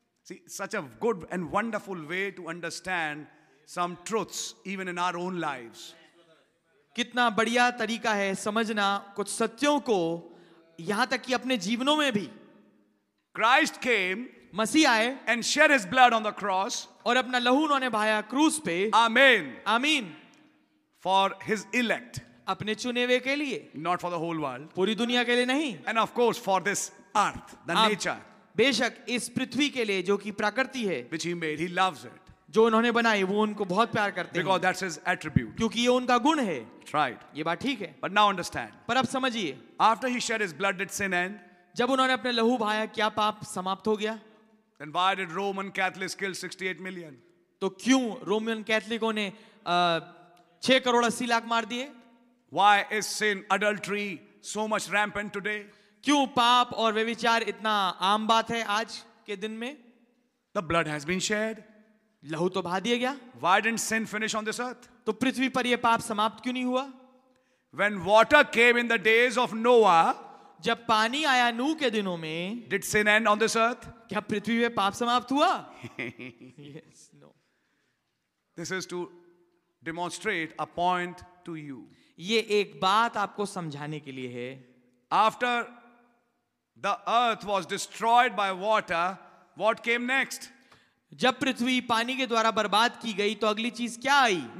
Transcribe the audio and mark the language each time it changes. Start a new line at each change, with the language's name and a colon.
English: See, such a good and wonderful way to understand some truths even in our own lives.
Hindi: कितना बढ़िया तरीका है समझना कुछ सत्यों को यहाँ तक कि अपने जीवनों में भी.
English: Christ came.
Hindi: मसीह आए.
English: And shed his blood on the cross.
Hindi: और अपना लहू उन्होंने बहाया क्रूस पे. Amen. Amen.
English: For his elect.
Hindi: अपने चुने हुए के लिए
English: not for the whole world
Hindi: पूरी दुनिया के लिए नहीं
English: and of course for this earth the nature
Hindi: बेशक इस पृथ्वी के लिए जो कि प्रकृति है
English: which he made he loves it
Hindi: जो उन्होंने बनाई वो उनको बहुत प्यार करते
English: हैं because that's his attribute
Hindi: क्योंकि ये उनका गुण है
English: right
Hindi: ये बात ठीक है
English: but now understand
Hindi: पर अब समझिए
English: after he shed his blood did sin end
Hindi: जब उन्होंने अपने लहू बहाया क्या पाप समाप्त हो गया
English: then why did Roman Catholics kill 68 million
Hindi: तो क्यों रोमन कैथोलिकों ने 6 करोड़ 80 लाख मार दिए
English: Why is sin, adultery, so much rampant today?
Hindi: क्यों पाप और व्यभिचार इतना आम बात है आज के दिन में?
English: The blood has been shed.
Hindi: लहू तो बहा दिया गया.
English: Why didn't sin finish on this earth?
Hindi: तो पृथ्वी पर ये पाप समाप्त क्यों नहीं हुआ?
English: When water came in the days of Noah,
Hindi: जब पानी आया नूह के दिनों में,
English: did sin end on this earth?
Hindi: क्या पृथ्वी पे पाप समाप्त हुआ?
English: Yes, no. This is to demonstrate a point to you.
Hindi: ये एक बात आपको समझाने के लिए है
English: after the earth was destroyed by water what came next
Hindi: जब पृथ्वी पानी के द्वारा बर्बाद की गई तो अगली चीज क्या आई